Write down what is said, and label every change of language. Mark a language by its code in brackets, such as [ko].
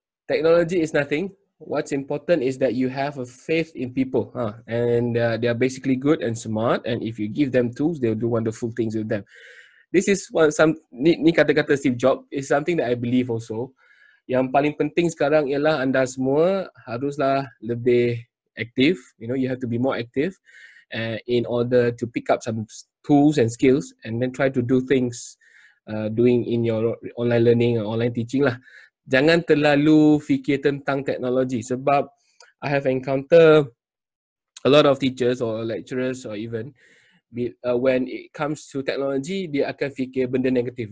[en] Technology is nothing. What's important is that you have a faith in people, and they are basically good and smart. And if you give them tools, they'll do wonderful things with them. This is what [ms] ni kata-kata [en] Steve Jobs is something that I believe also. [ms] Yang paling penting sekarang ialah anda semua haruslah lebih aktif. [en] You know, you have to be more active in order to pick up some tools and skills and then try to do things doing in your online learning or online teaching lah. [ms] Jangan terlalu fikir tentang teknologi sebab [en] I have encountered a lot of teachers or lecturers or even when it comes to technology, [ms] dia akan fikir benda negatif.